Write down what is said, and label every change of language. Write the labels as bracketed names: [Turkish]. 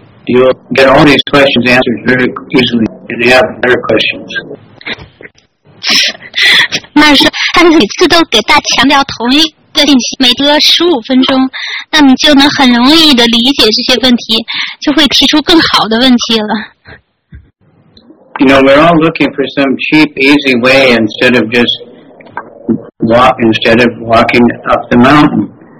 [English] You'll get all these questions answered very easily, and you have better questions. [Chinese] 那是他每次都给大家强调同一个信息，每隔15分钟，那你就能很容易的理解这些问题，就会提出更好的问题了。 [English] You know, we're all looking for some cheap, easy way instead of walking up the mountain.